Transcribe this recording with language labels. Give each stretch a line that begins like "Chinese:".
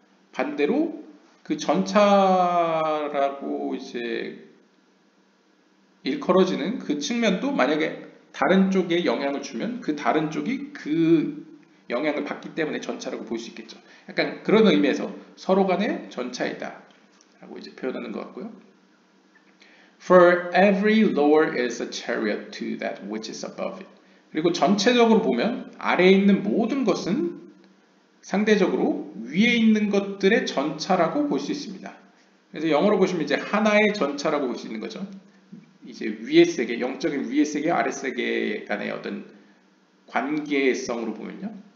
Korean: 반대로 그 전차라고 이제 일컬어지는 그 측면도 만약에 다른 쪽에 영향을 주면 그 다른 쪽이 그 영향을 받기 때문에 전차라고 볼 수 있겠죠. 약간 그런 의미에서 서로 간의 전차이다 라고 이제 표현하는 것 같고요.
English: For every lower is a chariot to that which is above it.
Korean: 그리고 전체적으로 보면 아래에 있는 모든 것은 상대적으로 위에 있는 것들의 전차라고 볼 수 있습니다. 그래서 영어로 보시면 이제 하나의 전차라고 볼 수 있는 거죠. 이제 위의 세계, 영적인 위의 세계, 아래 세계 간의 어떤 관계성으로 보면요.